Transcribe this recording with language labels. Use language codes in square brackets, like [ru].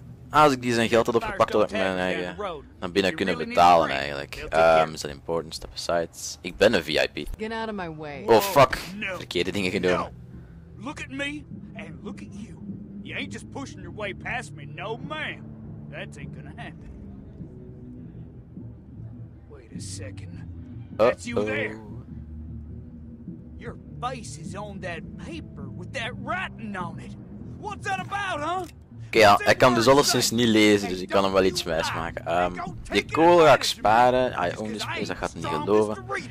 [nl] Als ik die zijn geld had opgepakt, had ik mijn eigen naar binnen kunnen betalen eigenlijk. Is dat important? [en] Step aside. [nl] Ik ben een VIP. [en] Get out of my way. Oh fuck. [nl] Verkeerde dingen gedaan. [en] Look at me and look at you. You ain't just pushing your way past me, no ma'am. That ain't gonna happen. Wait a second. That's you there. Your face is on that paper with that writing on it. What's that about, huh? [nl] Oké, okay, ja, hij kan dus alleszins niet lezen, dus ik kan hem wel iets wijs maken. Die kool ga ik sparen. Ah, ja, oh, dat gaat niet geloven.